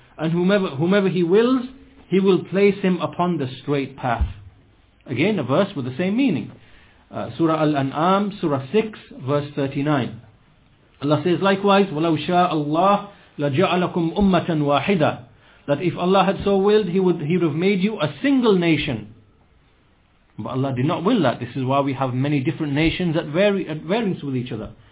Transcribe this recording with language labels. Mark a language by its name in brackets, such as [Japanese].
[English] And whomever He wills, He will place him upon the straight path. Again, a verse with the same meaning. Surah Al-An'am, Surah 6, verse 39. Allah says likewise, [Arabic] وَلَوْ شَاءَ اللَّهُ لَجَعَلَكُمْ أُمَّةً وَاحِدًا. [English] That if Allah had so willed, He would have made you a single nation. But Allah did not will that. This is why we have many different nations at variance with each other.